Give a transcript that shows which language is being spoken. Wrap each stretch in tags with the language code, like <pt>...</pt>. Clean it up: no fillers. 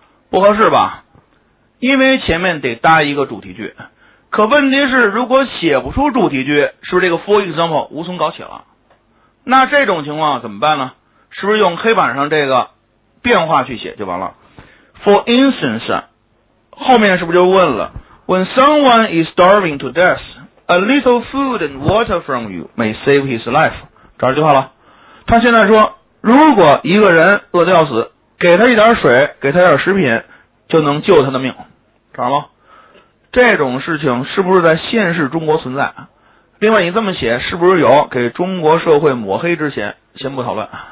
<zh>不合适吧，因为前面得搭一个主题句。可问题是如果写不出主题句，是不是这个 for example 无从搞起了？那这种情况怎么办呢？是不是用黑板上这个变化去写就完了？</zh> <en>For instance</en> <zh>后面是不是就问了，</zh> <en>When someone is starving to death, a little food and water from you may save his life。</en> <zh>找这句话了，他现在说如果一个人饿得要死，给他一点水，给他点食品就能救他的命，知道吗？这种事情是不是在现实中国存在？另外你这么写是不是有给中国社会抹黑之嫌？先不讨论。</zh>